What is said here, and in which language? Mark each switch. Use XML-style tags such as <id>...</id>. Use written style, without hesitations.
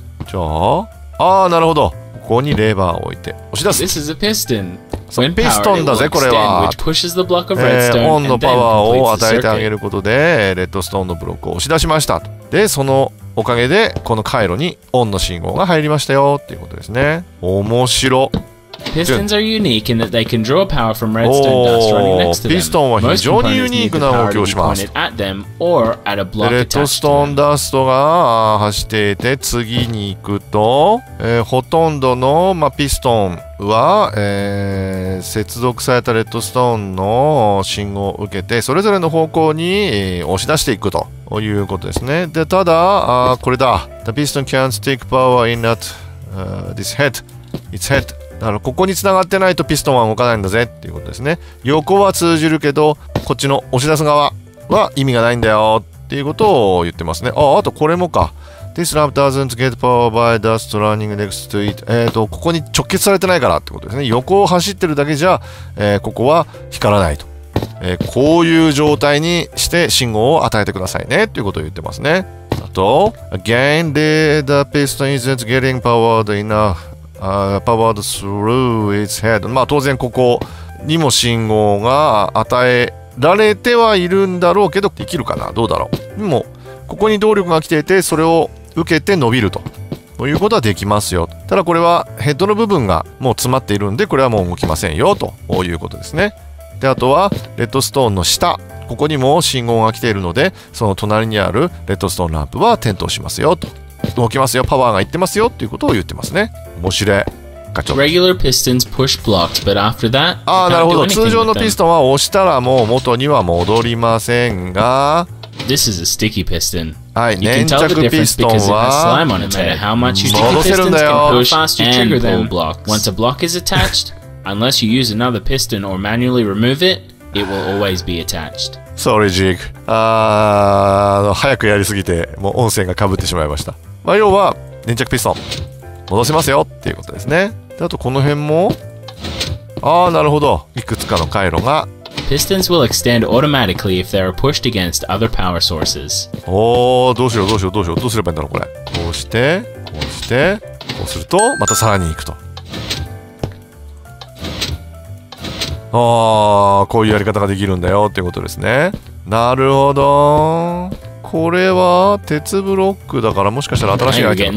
<ja>じゃあ、ああなるほど、ここにレバーを置いて押し出す。</ja> <en>This is a piston.</en> <ja>そう、ピストンだぜこれは。オンのパワーを与えてあげることでレッドストーンのブロックを押し出しました。で、そのおかげでこの回路にオンの信号が入りましたよっていうことですね。面白。</ja> <en>Pistons are unique in that they can draw power from redstone dust running next to them.</en> <ja>ピストンは非常にユニークな動きをします。レッドストーンダストが走っていて次に行くと、ほとんどの、まあ、ピストンは、接続されたレッドストーンの信号を受けてそれぞれの方向に、押し出していくということですね。で、ただこれだ。</ja> <en>The piston can't take power in that this head. Its head.</en> <ja>だからここに繋がってないとピストンは動かないんだぜっていうことですね。横は通じるけどこっちの押し出す側は意味がないんだよっていうことを言ってますね。あ、あとこれもか。</ja> <en>This lamp doesn't get power by dust running next to it。</en> <ja>ここに直結されてないからってことですね。横を走ってるだけじゃ、ここは光らないと、こういう状態にして信号を与えてくださいねっていうことを言ってますね。</ja> <en>あと Again the piston isn't getting powered enoughpowered through its head。</en> <ja>まあ当然ここにも信号が与えられてはいるんだろうけど、できるかな、どうだろう。でもここに動力が来ていてそれを受けて伸びるということはできますよ。ただこれはヘッドの部分がもう詰まっているんでこれはもう動きませんよということですね。で、あとはレッドストーンの下、ここにも信号が来ているのでその隣にあるレッドストーンランプは点灯しますよと、動きますよ、パワーがいってますよっていうことを言ってますね。面白い。ガチョ。</ja> <en>Regular pistons push blocks, but after that,</en> <ja>ああなるほど。通常のピストンは押したらもう元には戻りませんが、</ja> <en>This is a sticky piston.</en> <ja>はい、粘着ピストンは戻せるんだよ。</ja> <en>Once a block is attached, unless you use another piston or manually remove it, it will always be attached. Sorry, Jig.</en> <ja>早くやりすぎてもう音声がかぶってしまいました。まあ、要は粘着ピストン戻せますよっていうことですね。で、あとこの辺も、ああなるほど、いくつかの回路が。</ja> <en>Pistons will extend automatically if they are pushed against other power sources.</en> <ja>おお、どうしようどうしようどうしよう、どうすればいいんだろうこれ。こうしてこうしてこうするとまたさらにいくと。あー、こういうやり方ができるんだよっていうことですね。なるほど。これは鉄ブロックだからもしかしたら新しいアイテム。</ja>